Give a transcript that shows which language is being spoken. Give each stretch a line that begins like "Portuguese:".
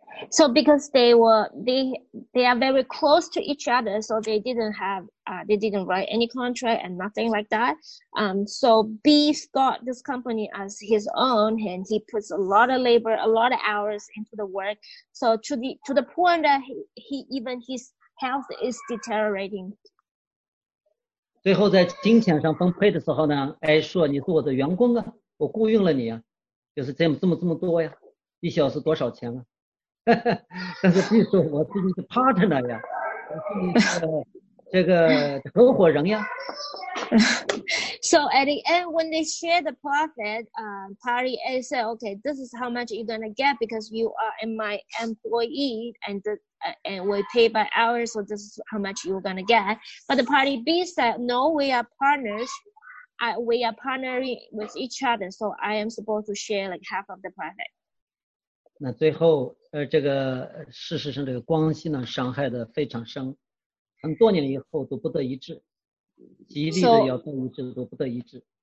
English: So because they are very close to each other, so they didn't have they didn't write any contract and nothing like that. So B got this company as his own, and he puts a lot of labor, a lot of hours into the work. So to the point that he his health is deteriorating.
Chinese: 最后在金钱上分配的时候呢 ，A 说你是我的员工啊，我雇佣了你啊，就是这么多呀，一小时多少钱啊？但是 B 说我自己是 partner 呀，我是你的这个合伙人呀。
English: So at the end, when they share the profit, Tari A said, okay, this is how much you're going to get because you are in my employee and we pay by hour, so this is how much you're going to get. But the Party B said, no, we are partners. We are partnering with each other, so I am supposed to share like half of the profit.
Chinese: 那最后，这个事实上，这个关系呢，伤害的非常深，很多年以后都不得一致，极力的要不一致都不得一致。